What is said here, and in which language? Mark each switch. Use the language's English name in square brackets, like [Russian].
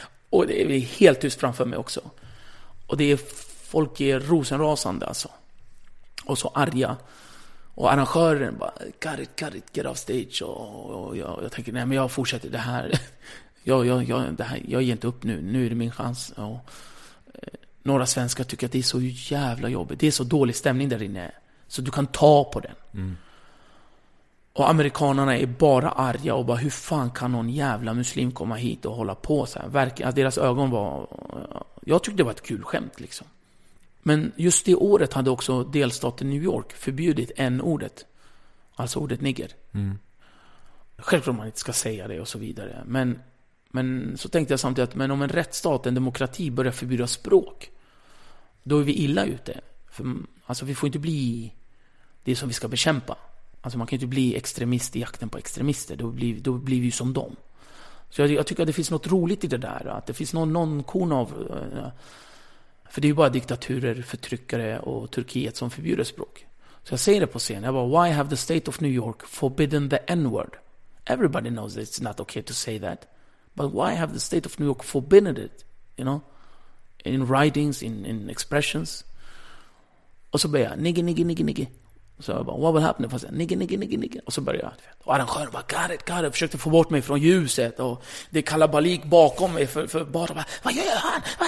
[Swedish] Och det blir helt tyst framför mig också. Och det är... Folk är rosenrasande alltså. Och så arga. Och arrangören bara, [English] got it, get off stage. [Swedish] Och jag tänker, nej men jag fortsätter det här. Jag ger inte upp nu. Nu är det min chans. Och några svenskar tycker att det är så jävla jobbigt. Det är så dålig stämning där inne. Så du kan ta på den. Mm. Och amerikanerna är bara arga. Och bara, hur fan kan någon jävla muslim komma hit och hålla på så här? Verkligen, alltså deras ögon var... Jag tyckte det var ett kul skämt liksom. Men just det året hade också delstaten New York förbjudit N-ordet. Alltså ordet nigger. Mm. Självklart man inte ska säga det och så vidare. Men så tänkte jag samtidigt att, men om en rättsstat, en demokrati, börjar förbjuda språk, då är vi illa ute. För, alltså vi får inte bli det som vi ska bekämpa. Alltså man kan inte bli extremist i jakten på extremister. Då blir vi ju som dem. Så jag tycker att det finns något roligt i det där. Att det finns någon korn av... För det är ju bara diktaturer, förtryckare och Turkiet som förbjuder språk. Så jag säger det på scen. Jag bara, [English] why have the state of New York forbidden the N-word? Everybody knows it's not okay to say that. But why have the state of New York forbidden it? You know? In writings, in expressions. [Swedish] Och så börjar jag, nigge. Så jag bara, [English] what will happen if I say, [Swedish] nigge. Och så börjar jag. Och arrangören bara, [English] got it. [Swedish] Försökte få bort mig från ljuset. Och det är kalabalik bakom mig. För bara, vad gör han?